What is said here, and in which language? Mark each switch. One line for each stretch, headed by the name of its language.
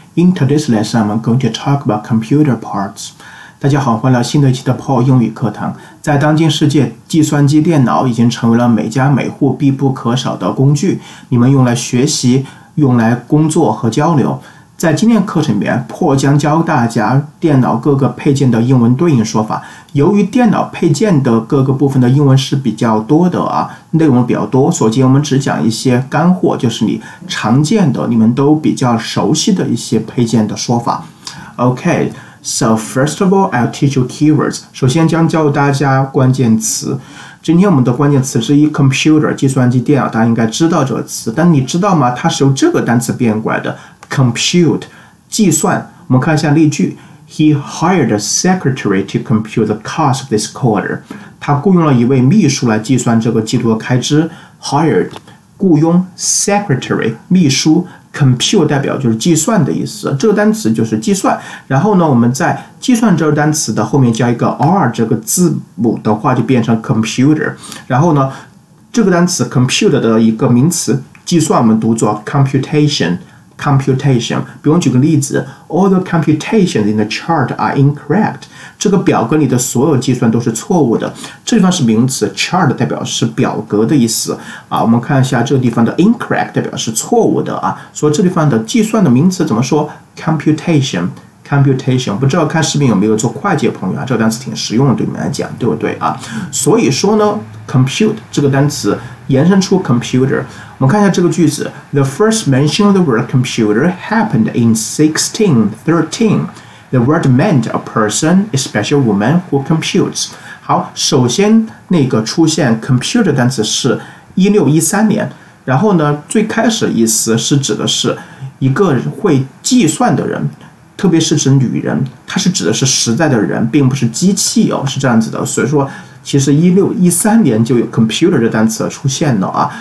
English: In today's lesson, I'm going to talk about computer parts.
Chinese: 大家好，欢迎来新的一期的 Paul 英语课堂。在当今世界，计算机电脑已经成为了每家每户必不可少的工具，你们用来学习、用来工作和交流。在今天课程里面， Paul 将教大家电脑各个配件的英文对应说法。由于电脑配件的各个部分的英文是比较多的啊，内容比较多，所以我们只讲一些干货，就是你常见的、你们都比较熟悉的一些配件的说法。
English: OK, so first of all, I'll teach you keywords.
Chinese: 首先将教大家关键词。今天我们的关键词是一 computer, 计算机电脑，大家应该知道这个词，但你知道吗？它是由这个单词变过来的，compute, 计算。我们看一下例句，
English: He hired a secretary to compute the cost of this quarter.
Chinese: 他雇佣了一位秘书来计算这个季度的开支。 Hired, 雇佣， secretary, 秘书， compute 代表就是计算的意思，这个单词就是计算。然后呢，我们在计算这个单词的后面加一个 r 这个字母的话，就变成 computer。然后呢，这个单词 compute 的一个名词计算，我们读作 computation。比如举个例子，
English: All the computations in the chart are incorrect.
Chinese: 这个表格里的所有计算都是错误的。这地方是名词， chart 代表是表格的意思啊。我们看一下这个地方的 incorrect 代表是错误的啊。所以这地方的计算的名词怎么说？
English: Computation。
Chinese: 不知道看视频有没有做会计的朋友啊，这个单词挺实用的，对你们来讲，对不对啊？所以说呢， compute 这个单词延伸出 computer。我们看一下这个句子，
English: The first mention of the word computer happened in 1613. The word meant a person, especially a woman, who computes.
Chinese: 好，首先那个出现 computer 单词是1613年，然后呢，最开始意思是指的是一个会计算的人，特别是指女人，它是指的是实在的人，并不是机器哦，是这样子的。所以说其实1613年就有 computer 这单词出现了啊。